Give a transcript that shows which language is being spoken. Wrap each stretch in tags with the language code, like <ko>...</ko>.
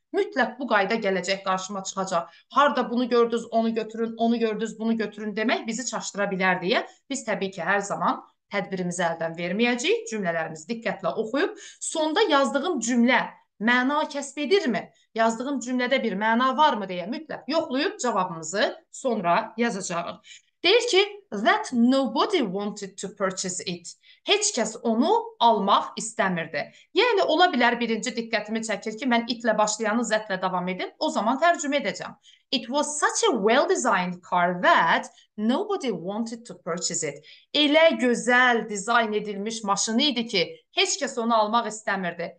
<az>Mütləq bu qayda gələcək, qarşıma çıxacaq. Harda bunu gördünüz, onu götürün, onu gördünüz, bunu götürün demək bizi çaşdıra bilər deyə. Biz təbii ki, hər zaman tədbirimizi əldən verməyəcəyik. Cümlələrimizi diqqətlə oxuyub, sonda yazdığım cümlə məna kəsb edirmi? Yazdığım cümlədə bir məna var mı deyə mütləq yoxlayıb cavabımızı sonra yazacağıq. Deyir ki,</az> <en>that nobody wanted to purchase it.</en> <az>Heç kəs onu almaq istəmirdi. Yəni ola bilər birinci diqqətimi çəkir ki, mən itlə başlayanı zətlə davam edim. O zaman tərcümə edəcəm.</az> <en>It was such a well designed car that nobody wanted to purchase it.</en> <az>Elə gözəl dizayn edilmiş maşını idi ki, heç kəs onu almaq istəmirdi.</az>